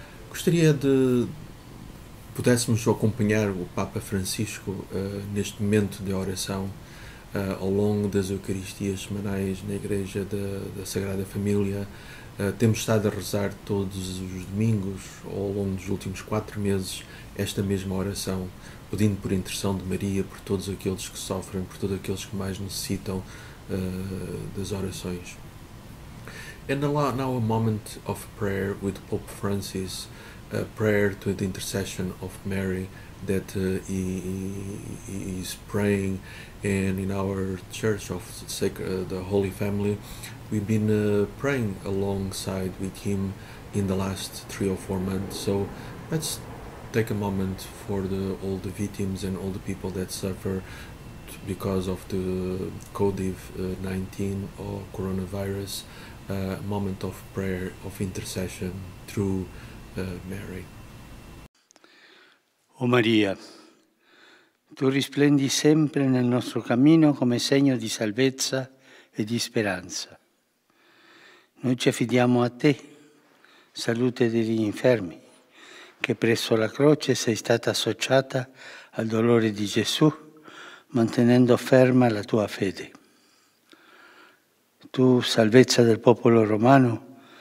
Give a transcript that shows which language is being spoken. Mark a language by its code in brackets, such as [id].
[pt] Gostaria de pudéssemos acompanhar o Papa Francisco neste momento de oração ao longo das Eucaristias semanais na Igreja da Sagrada Família. Temos estado a rezar todos os domingos ou ao longo dos últimos 4 meses esta mesma oração, pedindo por intercessão de Maria, por todos aqueles que sofrem, por todos aqueles que mais necessitam das orações. [en] And now a moment of prayer with Pope Francis, a prayer to the intercession of Mary that he is praying. And in our Church of the Holy Family, we've been praying alongside with him in the last 3 or 4 months. So let's take a moment for all the victims and all the people that suffer because of the COVID-19 or coronavirus, a moment of prayer, of intercession through Mary. [it] O Maria, tu risplendi sempre nel nostro cammino come segno di salvezza e di speranza. Noi ci affidiamo a te, salute degli infermi, che presso la croce sei stata associata al dolore di Gesù, mantenendo ferma la tua fede. Tu, salvezza del popolo romano,